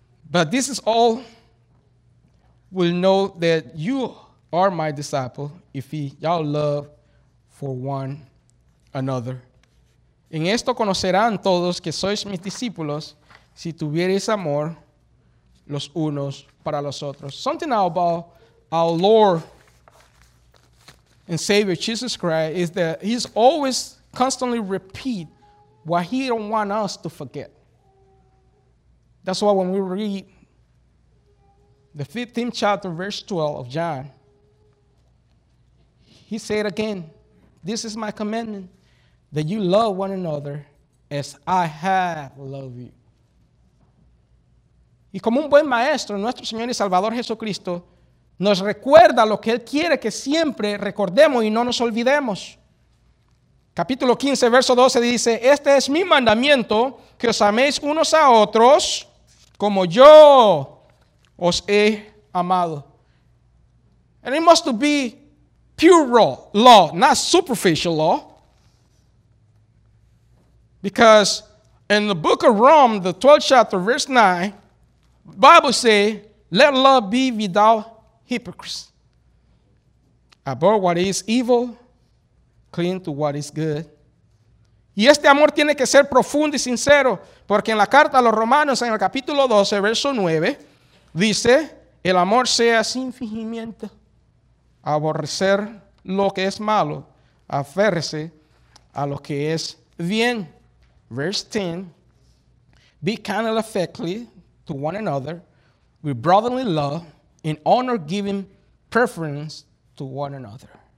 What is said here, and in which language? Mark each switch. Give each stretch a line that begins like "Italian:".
English: But this is all will know that you are my disciple if y'all love for one another.
Spanish: En esto conocerán todos que sois mis discípulos si tuvierais amor los unos para los otros.
English: Something now about our Lord and Savior Jesus Christ is that he's always constantly repeat what he don't want us to forget. That's why when we read the 15th chapter, verse 12 of John, he said again, this is my commandment, that you love one another as I have loved you.
Spanish: Y como un buen maestro, nuestro Señor y Salvador Jesucristo nos recuerda lo que Él quiere que siempre recordemos y no nos olvidemos. Capítulo 15, verso 12 dice, este es mi mandamiento, que os améis unos a otros como yo os he amado.
English: And it must be pure law, not superficial law. Because in the book of Romans, the 12th chapter, verse 9, Bible says, let love be without hypocrites. Abhor what is evil, cling to what is good.
Spanish: Y este amor tiene que ser profundo y sincero, porque en la carta a los romanos, en el capítulo 12, verso 9, dice, el amor sea sin fingimiento, aborrecer lo que es malo, aférrese a lo que es bien.
English: Verse 10, be kind and affectly to one another with brotherly love, in honor giving preference to one another.